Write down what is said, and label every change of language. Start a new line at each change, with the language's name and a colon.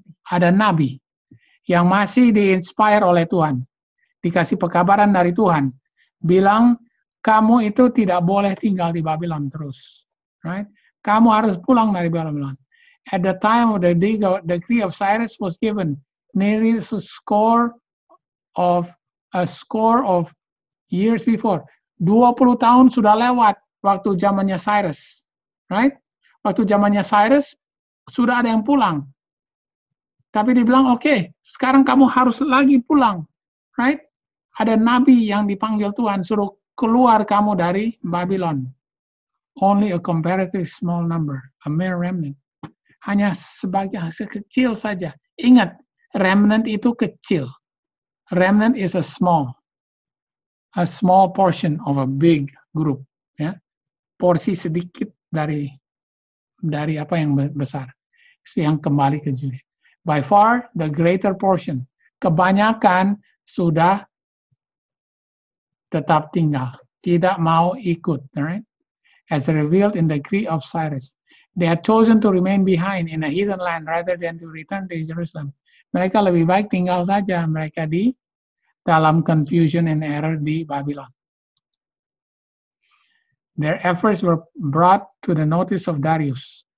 Indonesian: Ada nabi yang masih diinspire oleh Tuhan, dikasih pekabaran dari Tuhan, bilang kamu itu tidak boleh tinggal di Babylon terus. Right? Kamu harus pulang dari Babylon.
English: At the time of the decree of Cyrus was given, nearly a score of years before.
Indonesian: 20 tahun sudah lewat waktu zamannya Cyrus. Right? Waktu zamannya Cyrus sudah ada yang pulang. Tapi dibilang, okay, sekarang kamu harus lagi pulang. Right? Ada nabi yang dipanggil Tuhan suruh keluar kamu dari Babylon.
English: Only a comparatively small number, a mere remnant.
Indonesian: Hanya sebagian sekecil saja. Ingat, remnant itu kecil.
English: Remnant is a small portion of a big group, ya.
Indonesian: Porsi sedikit dari apa yang besar. Itu yang kembali ke Juliet.
English: By far the greater portion.
Indonesian: Kebanyakan sudah tetap tinggal, tidak mau ikut, right?
English: As revealed in the decree of Cyrus, they had chosen to remain behind in a heathen land rather than to return to Jerusalem.
Indonesian: Mereka lebih baik tinggal saja mereka di dalam
English: confusion and error
Indonesian: di Babylon.
English: Their efforts were brought to the notice of Darius.